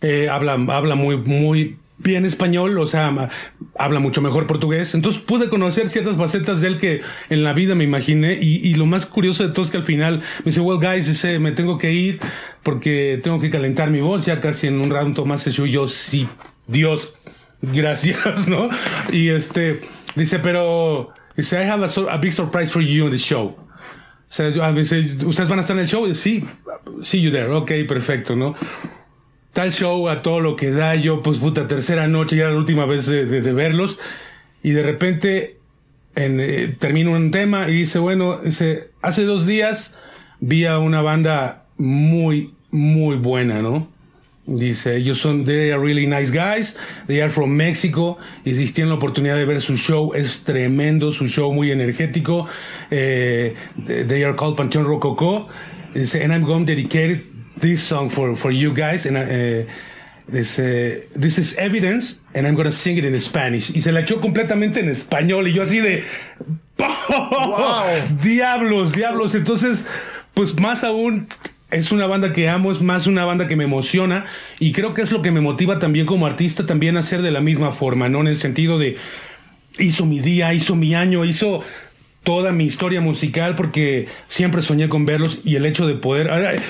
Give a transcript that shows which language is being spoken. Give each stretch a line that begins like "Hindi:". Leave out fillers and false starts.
Spanish: Habla muy, muy... bien español, o sea, habla mucho mejor portugués. Entonces pude conocer ciertas facetas de él que en la vida me imaginé. Y lo más curioso de todo es que al final me dice,
English: well, guys,
Spanish: dice, me tengo que ir porque tengo que calentar mi voz. Ya casi en un rato más se suyo, sí, Dios, gracias, ¿no? Y este, dice, pero, dice,
English: I have a big surprise for you in the show.
Spanish: O sea, dice, ¿ustedes van a estar en el show? Y dice, sí,
English: see you there.
Spanish: Okay, perfecto, ¿no? Tal show a todo lo que da, yo pues puta, tercera noche, ya era la última vez de verlos, y de repente termino un tema y dice, bueno, dice, hace 2 días vi a una banda muy, muy buena, ¿no? Dice, ellos son,
English: they are really nice guys, they are from Mexico,
Spanish: y si tienen la oportunidad de ver su show, es tremendo, su show muy energético,
English: they are called
Spanish: Panteón Rococó, dice,
English: and I'm going to dedicate it this song for you guys, and this is evidence, and I'm gonna sing it in Spanish.
Spanish: Y se la echó completamente en español, y yo así de wow. diablos. Entonces, pues más aún, es una banda que amo, es más una banda que me emociona, y creo que es lo que me motiva también como artista, también a ser de la misma forma, no, en el sentido de hizo mi día, hizo mi año, hizo toda mi historia musical, porque siempre soñé con verlos, y el hecho de poder...